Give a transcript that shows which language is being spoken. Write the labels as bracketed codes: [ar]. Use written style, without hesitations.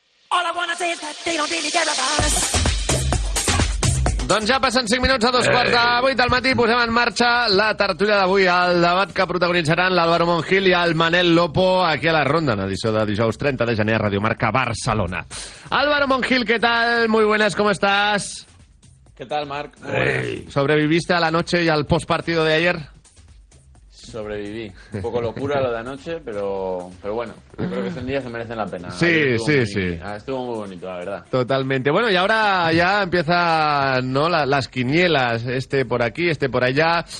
[en] All I wanna say is that they don't really care about us. [ca] Doncs ja passen 5 minuts a 2:15 de 8 del matí. Posem en marxa la tertúlia d'avui, el debat que protagonitzaran l'Álvaro Monjil i el Manel Lopo aquí a la Ronda, en edició de dijous 30 de gener a Radio Marca Barcelona. Álvaro Monjil, què tal? [es] Muy buenas, ¿cómo estás? ¿Qué tal, Marc? ¿Sobreviviste a la noche y al postpartido de ayer? Sobreviví. Un poco locura lo de anoche, pero bueno, creo que ese día se merecen la pena. Sí, sí, muy, sí. Estuvo muy bonito, la verdad. Totalmente. Bueno, y ahora ya empiezan, ¿no?, las quinielas, este por aquí, este por allá.